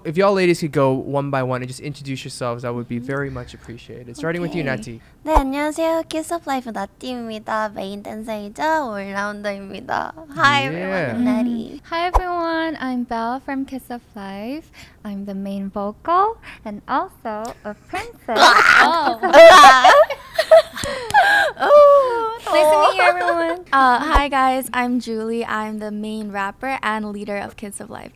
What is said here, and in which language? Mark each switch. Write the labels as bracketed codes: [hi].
[en] If y'all ladies could go one by one and just introduce yourselves, that would be very much appreciated. Starting okay. with you, Natty. [ko] 네, 안녕하세요. Kiss of Life, Natty입니다. 메인 댄서이자 올라운더입니다. [en] Hi, yeah. everyone. I'm Natty. Hi, everyone. I'm Belle from Kiss of Life. I'm the main vocal and also a princess. Oh. Nice to meet you, everyone. Hi, guys. I'm Julie. I'm the main rapper and leader of Kiss of Life.